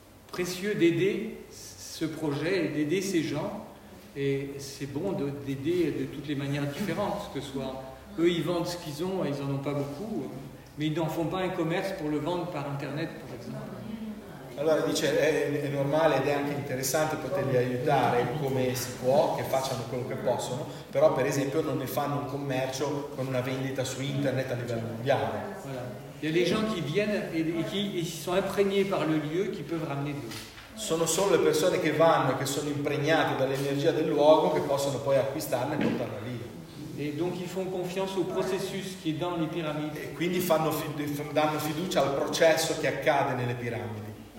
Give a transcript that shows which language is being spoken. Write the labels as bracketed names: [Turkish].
[French] précieux d'aider ce projet, d'aider ces gens, et c'est bon d'aider de toutes les manières différentes, que ce soit eux ils vendent ce qu'ils ont, ils n'en ont pas beaucoup, mais ils n'en font pas un commerce pour le vendre par internet par exemple. [Italian] Allora dice, è normale ed è anche interessante poterli aiutare come si può, che facciano quello che possono, però per esempio non ne fanno un commercio con una vendita su internet a livello mondiale. [French] Il y a des gens qui viennent et qui sont imprégnés par le lieu qui peuvent ramener de l'eau. [Italian] Sono solo le persone che vanno e che sono impregnate dall'energia del luogo che possono poi acquistarla e portarla lì. [French] Et donc ils font confiance au processus qui est dans les pyramides. [Italian] E quindi fanno danno fiducia al processo che accade nelle piramidi.